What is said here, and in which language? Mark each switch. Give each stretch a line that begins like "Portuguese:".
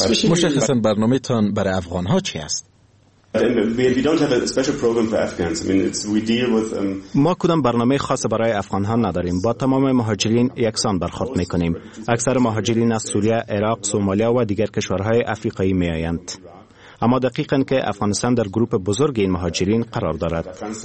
Persian: مشخصا برنامه تان برای افغان ها چی است؟
English: We don't have a special program for Afghans.
Persian: ما کدام برنامه خاص برای افغان ها نداریم. با تمام مهاجرین یکسان برخورد میکنیم. اکثر مهاجرین از سوریه، عراق، سومالیا و دیگر کشورهای آفریقایی میآیند. اما دقیقاً که افغانستان در گروه بزرگ این مهاجرین قرار دارد.